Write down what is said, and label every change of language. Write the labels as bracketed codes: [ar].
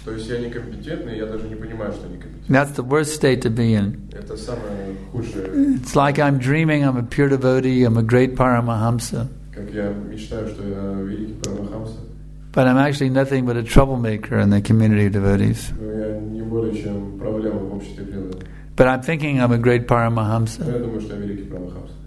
[ru] То есть я некомпетентный, я даже не понимаю, что некомпетентный. [en] That's the worst state to be in. [ru] Это самое худшее. [en] It's like I'm dreaming I'm a pure devotee, I'm a great Paramahamsa. [ru] Как я мечтаю, что я великий Парамахамса. [en] But I'm actually nothing but a troublemaker in the community of devotees. [ru] Я не более чем проблема в обществе преданных. [en] But I'm thinking I'm a great Paramahamsa. [ru] Я думаю, что я великий Парамахамса.